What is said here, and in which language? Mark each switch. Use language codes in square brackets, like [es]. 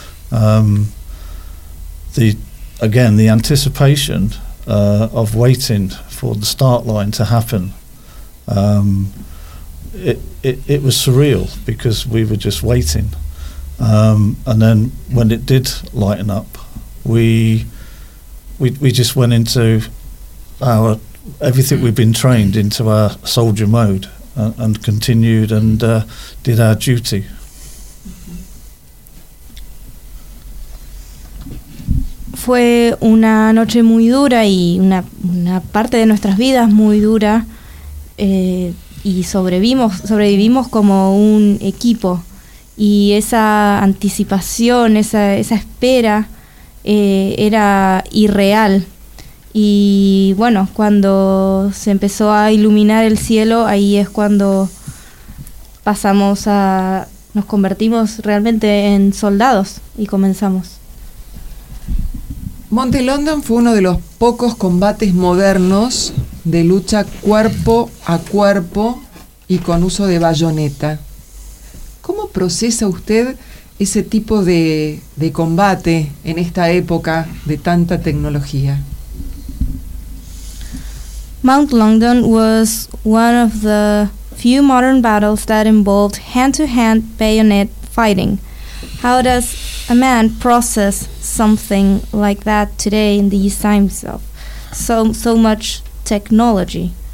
[en] The anticipation of waiting for the start line to happen, it was surreal because we were just waiting, and then when it did lighten up, we just went into our everything we'd been trained into our soldier mode and continued and did our duty. [es] Fue una noche muy dura y una parte de nuestras vidas muy dura, y sobrevivimos como un equipo, y esa anticipación, esa espera era irreal. Y bueno, cuando se empezó a iluminar el cielo, ahí es cuando nos convertimos realmente en soldados y comenzamos. Monte London fue uno de los pocos combates modernos de lucha cuerpo a cuerpo y con uso de bayoneta. ¿Cómo procesa usted ese tipo de combate en esta época de tanta tecnología? [en] Mount London was one of the few modern battles that involved hand-to-hand bayonet fighting. How does a man process something like that today in these times of so much technology?